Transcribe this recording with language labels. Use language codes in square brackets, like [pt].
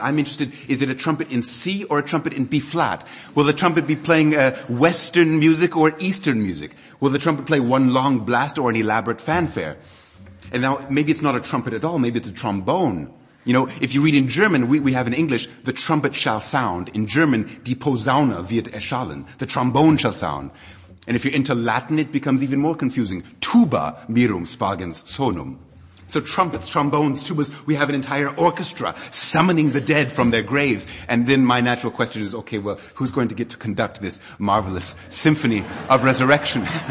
[en] I'm interested, is it a trumpet in C or a trumpet in B flat? Will the trumpet be playing Western music or Eastern music? Will the trumpet play one long blast or an elaborate fanfare? And now maybe it's not a trumpet at all, maybe it's a trombone. You know, if you read in German, we have in English, the trumpet shall sound. In German, [de] die Posaune wird erschallen. [en] The trombone shall sound. And if you're into Latin, it becomes even more confusing. [la] Tuba mirum spargens sonum. [en] So trumpets, trombones, tubas, we have an entire orchestra summoning the dead from their graves. And then my natural question is, okay, well, who's going to get to conduct this marvelous symphony of resurrection?